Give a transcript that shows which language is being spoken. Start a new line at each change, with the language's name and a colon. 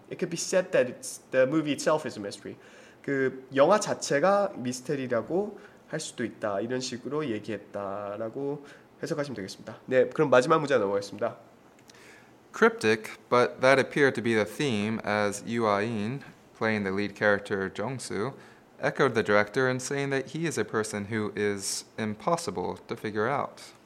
English: It could be said that the movie itself is a mystery.
Korean: 그 영화 자체가 미스테리라고 할 수도 있다. 이런 식으로 얘기했다라고 해석하시면 되겠습니다. 네, 그럼 마지막 문제 넘어가겠습니다.
English: Cryptic, but that appeared to be the theme as Yoo Ah-in, playing the lead character Jong-soo, echoed the director in saying that he is a person who is impossible to figure out.